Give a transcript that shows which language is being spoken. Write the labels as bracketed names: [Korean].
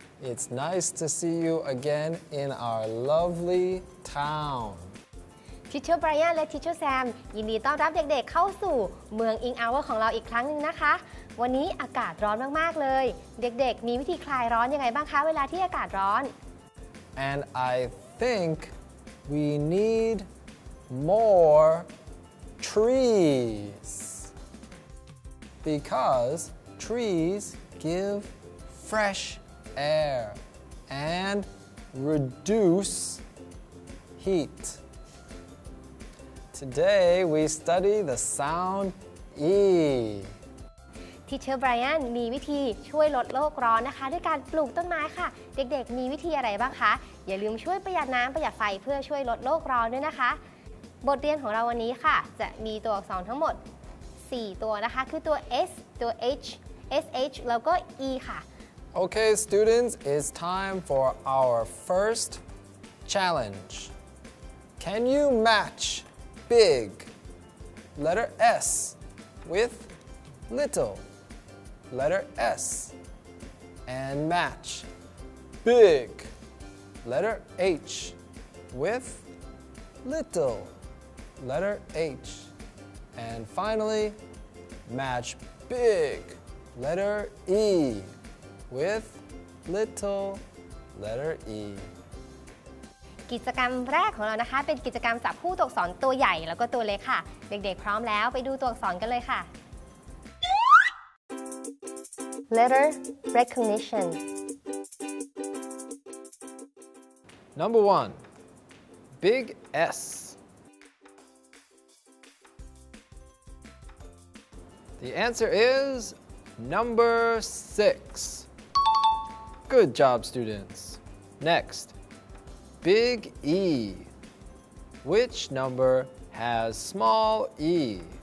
[English] It's nice to see you again in our lovely town. [Thai] Teacher Brian และ Teacher Sam ยินดีต้อนรับเด็กๆ เข้าสู่เมืองอิงอาวของเราอีกครั้งนึงนะคะวันนี้อากาศร้อนมากๆเลยเด็กๆมีวิธีคลายร้อนยังไงบ้างคะเวลาที่อากาศร้อน [English] And I think we need more trees because trees give fresh air and reduce heat. Today we study the sound E. [Thai] Teacher Brian มีวิธีช่วยลดโลกร้อนนะคะด้วยการปลูกต้นไม้ค่ะเด็กๆมีวิธีอะไรบ้างคะอย่าลืมช่วยประหยัดน้ำประหยัดไฟเพื่อช่วยลดโลกร้อนด้วยนะคะบทเรียนของเราวันนี้ค่ะจะมีตัวอักษรทั้งหมด4ตัวนะคะคือตัว S ตัว H SH แล้วก็ E ค่ะ [English] Okay students it's time for our first challenge Can you match big letter S with little letter S and match big letter H with little letter H and finally match big letter E with little letter E [Thai] กิจกรรมแรกของเรานะคะเป็นกิจกรรมสับคู่ตัวอักษรตัวใหญ่แล้วก็ตัวเล็กค่ะเด็กๆพร้อมแล้วไปดูตัวอักษรกันเลยค่ะ [English] Letter recognition Number 1 Big S The answer is number 6 Good job students Next Big E Which number has small e?